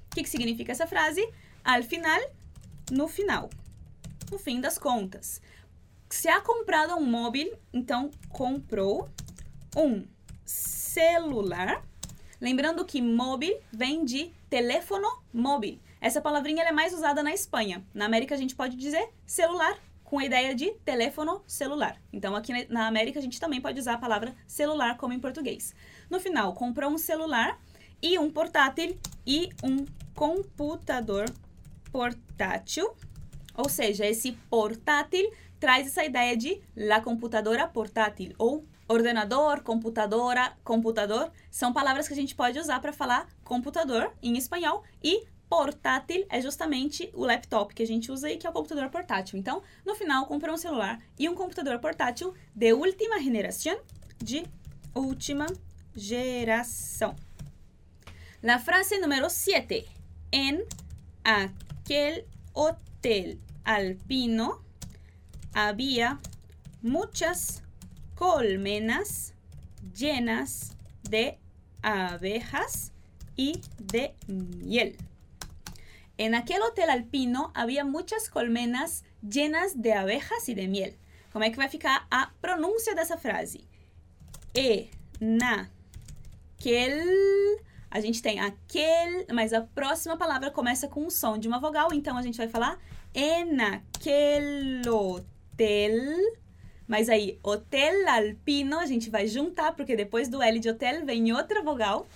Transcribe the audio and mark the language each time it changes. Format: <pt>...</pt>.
<es>¿Qué significa esa frase? Al final,</es> <pt>no final. No fin das contas.</pt> <es>Se ha comprado un móvil,</es> <pt>entonces compró un celular. Lembrando que móvil vem de teléfono móvil. Essa palavrinha ela é mais usada na Espanha. Na América, a gente pode dizer celular com a ideia de teléfono celular. Então, aqui na América, a gente também pode usar a palavra celular como em português. No final, comprou um celular e um portátil e um computador portátil. Ou seja, esse portátil traz essa ideia de</pt> <es>la computadora portátil</es> <pt>ou ordenador, computadora, computador, são palavras que a gente pode usar para falar computador em espanhol e portátil é justamente o laptop que a gente usa e que é o computador portátil. Então, no final, comprou um celular e um computador portátil de última geração, de última geração.</pt> <es>La frase número 7. En aquel hotel alpino había muchas colmenas llenas de abejas y de miel. En aquel hotel alpino había muchas colmenas llenas de abejas y de miel. ¿Cómo es que va a</es> <pt>ficar a pronuncia</pt> <es>de esa frase? En aquel...</es> <pt>A gente tem aquel, mas a próxima palavra começa com o som de uma vogal, então a gente vai falar</pt> <es>en aquel hotel...</es> <pt>Mas aí, hotel alpino, a gente vai juntar, porque depois do L de hotel vem outra vogal.</pt>